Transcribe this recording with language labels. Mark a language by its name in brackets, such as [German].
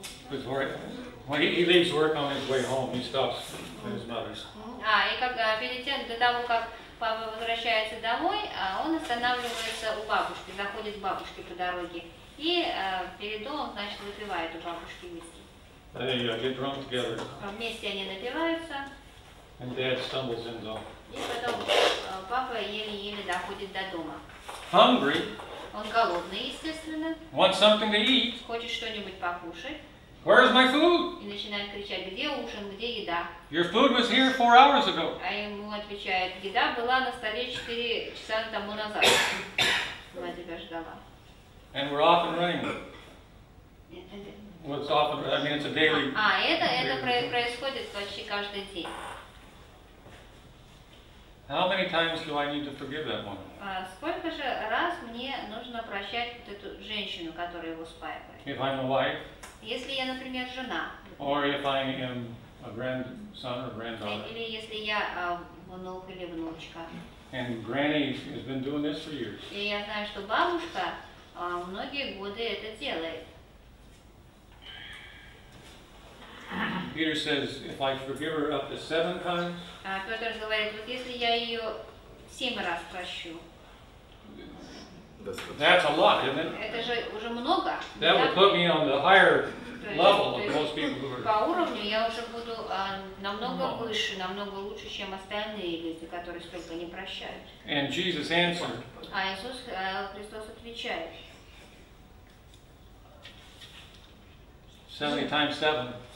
[English] before when he leaves work on his way home, he stops at his mother's. [Russian] И когда перед тем, до того как папа возвращается домой, он останавливается у бабушки, заходит к бабушке по дороге, и перед домом, значит, выпивает у бабушки виски. [English] They get drunk together. [Russian] Вместе они напиваются. [English] And dad stumbles in home. [Russian] И потом папа еле-еле доходит до дома. [English] Hungry. [Russian] Он голодный, естественно. [English] Want something to eat. [Russian] Хочет что-нибудь покушать. [English] Where is my food? [Russian] И начинает кричать, где ужин, где еда? [English] Your food was here 4 hours ago. [Russian] А ему отвечает, еда была на столе 4 часа тому назад. Мать тебя ждала. [English] And we're off and running. What's off and running? I mean, it's a daily. [Russian] Это происходит почти каждый день. [English] How many times do I need to forgive that woman? [Russian] Сколько же раз мне нужно прощать вот эту женщину, которая его спаивает? [English] If I'm a wife. [Russian] Если я, например, жена. [English] Or if I am a grandson or granddaughter. [Russian] Или если я внук или внучка. [English] And granny has been doing this for years. [Russian] И я знаю, что бабушка многие годы это делает. [English] Peter says, if I forgive her up to 7 times. [Russian] Петр говорит, вот если я ее 7 раз прощу. [English] That's a lot, isn't it? [Russian] Это же уже много. [English] That would put me on the higher level of most people who are. [Russian] По уровню я уже буду намного выше, намного лучше, чем остальные люди, которые столько не прощают. [English] And Jesus answered. [Russian] А Иисус Христос отвечает. [English] 70 times 7.